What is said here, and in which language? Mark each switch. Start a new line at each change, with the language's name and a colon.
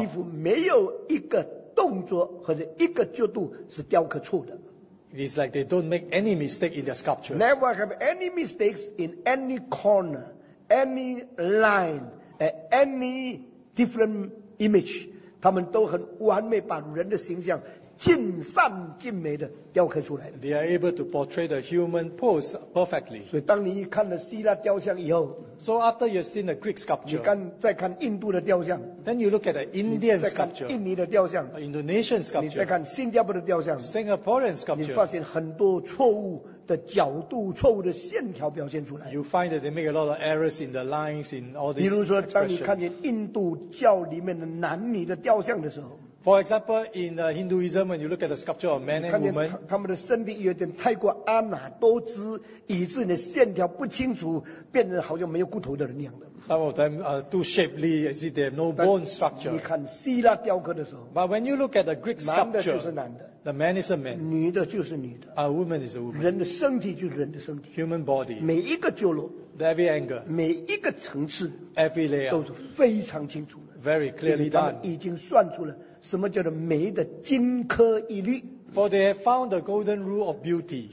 Chinese: 几乎没有一个动作或者一个角度是雕刻错的。
English: It's like they don't make any mistake in their sculpture. Never have any mistakes in any corner. Any line, any different image,
Chinese: 他们都很完美把人的形象尽善尽美的雕刻出来。
English: They are able to portray the human pose perfectly.
Chinese: 所以当你看了希腊雕像以后,
English: So after you've seen the Greek sculpture,
Chinese: 你再看印度的雕像,
English: Then you look at the Indian sculpture,
Chinese: 印尼的雕像,
English: Indonesian sculpture,
Chinese: 你再看新加坡的雕像,
English: Singaporean sculpture,
Chinese: 你发现很多错误, 的角度错误的线条表现出来,
English: You find that they make a lot of errors in the lines in all these.
Chinese: 比如说，当你看见印度教里面的男女的雕像的时候,
English: For example, in Hinduism, when you look at the sculpture of man and woman,
Chinese: 他们的身体有点太过婀娜多姿, 以致你的线条不清楚, 变成好像没有骨头的人一样的。
English: Some of them are too shapely, as if they have no bone structure.
Chinese: 你看希腊雕刻的时候,
English: But when you look at the Greek sculpture,
Chinese: 男的就是男的,
English: The man is a man.
Chinese: 女的就是女的,
English: a woman is a woman.
Chinese: 人的身体就是人的身体,
English: human body.
Chinese: 每一个角落,
English: every angle,
Chinese: 每一个层次,
English: every layer,
Chinese: 都是非常清楚的,
English: very clearly done.
Chinese: 已经算出了什么叫做美的金科玉律。
English: For they have found the golden rule of beauty.